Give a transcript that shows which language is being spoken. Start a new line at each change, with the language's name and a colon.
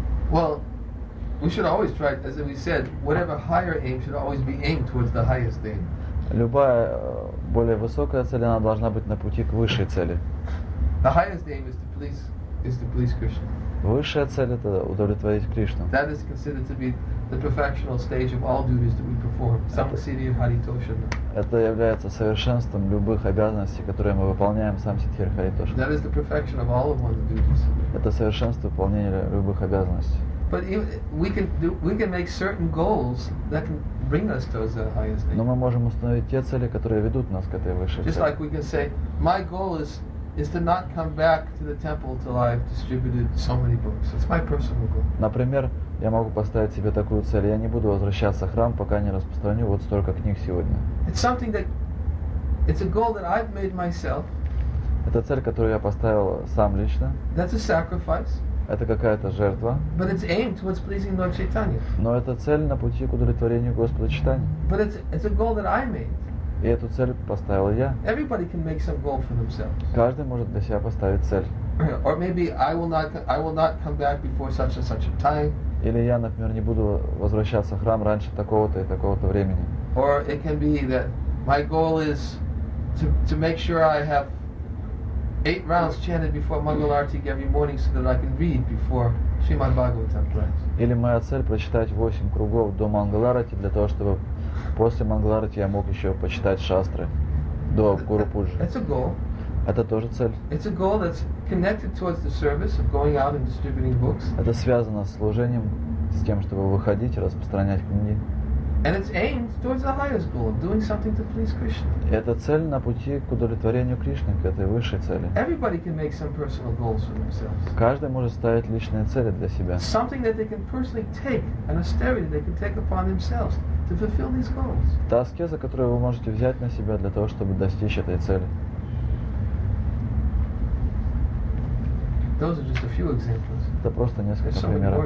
English: Well, we should always try, as we said, whatever higher aim should always be aimed towards the highest aim.
Russian: Любая более высокая цель, она должна быть на пути к высшей цели.
English: The highest aim is to please Krishna.
Russian: Высшая цель – это удовлетворить Кришну.
English: That is considered to be the perfectional stage of all duties that we perform.
Sanskrit: Самсиди Харитошана.
Russian: Это является совершенством любых обязанностей, которые мы выполняем в
Sanskrit: Самсидхир Харитошана.
English: That is the perfection of all of one's duties.
Russian: Это совершенство выполнения любых обязанностей.
English: But we can make certain goals that can bring us towards the highest aim.
Russian: Но мы можем установить те цели, которые ведут нас к этой высшей цели.
English: Just like we can say, my goal is to not come back to the temple till I've distributed so many books. It's my personal goal.
Russian: Например, я могу поставить себе такую цель: я не буду возвращаться в храм, пока не распространю вот столько книг сегодня.
English: It's a goal that I've made myself.
Russian: Это цель, которую я поставил сам лично.
English: That's a sacrifice.
Russian: Это какая-то жертва.
English: But it's aimed towards pleasing Lord Chaitanya.
Russian: Но это цель на пути к удовлетворению Господа Чайтаньи.
English: But it's a goal that I made.
Russian: И эту цель поставил я.
English: Everybody can make some goal for themselves.
Russian: Каждый может для себя поставить цель.
English: Or maybe I will not come back before such and such a time.
Russian: Или я, например, не буду возвращаться в храм раньше такого-то и такого-то времени.
English: Or it can be that my goal is to make sure I have 8 rounds chanted before Mangal Arati every morning so that I can read before Shrimad Bhagavatam class.
Russian: Или моя цель прочитать 8 кругов до Мангал Арати для того, чтобы после Мангал Арати я мог еще почитать шастры до Гуру Пуджи.
English: It's a goal.
Russian: Это тоже цель.
English: It's a goal that's connected towards the service of going out and distributing books.
Russian: Это связано с служением, с тем, чтобы выходить и распространять книги.
English: And it's aimed towards the highest goal of doing something to please Krishna.
Russian: Это цель на пути к удовлетворению Кришны, к этой высшей цели.
English: Everybody can make some personal goals for themselves.
Russian: Каждый может ставить личные цели для себя.
English: Something that they can personally take, an austerity they can take upon themselves to fulfill these goals.
Russian: Та аскеза, которую вы можете взять на себя для того, чтобы достичь этой цели.
English: Those are just a few examples.
Russian: Это просто несколько примеров.